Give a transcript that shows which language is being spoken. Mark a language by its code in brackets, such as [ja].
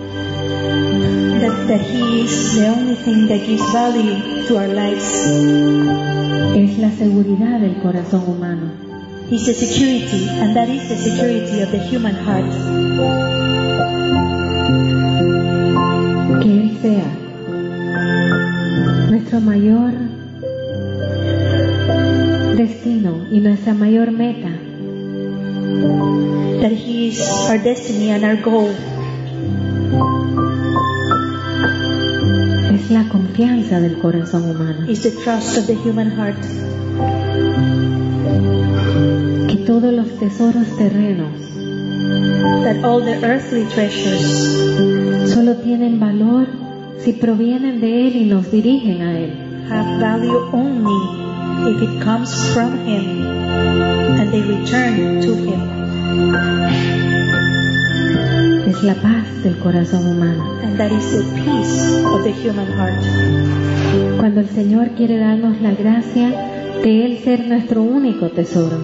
[en] That He is the only thing that gives value to our lives. [es] Es la seguridad del corazón humano. [en] He's the security, and that is the security of the human heart. [es] Que Él sea nuestro mayor destino y nuestra mayor meta. [en] That He is our destiny and our goal. [es] Es la confianza del corazón humano. [en] It's the trust of the human heart. [es] Que todos los tesoros terrenos, [en] that all the earthly treasures, [es] solo tienen valor si provienen de Él y nos dirigen a Él. [en] Have value only if it comes from Him and they return to Him. [es] Es la paz del corazón humano. [en] And that is the peace of the human heart. [es] Cuando el Señor quiere darnos la gracia de Él ser nuestro único tesoro.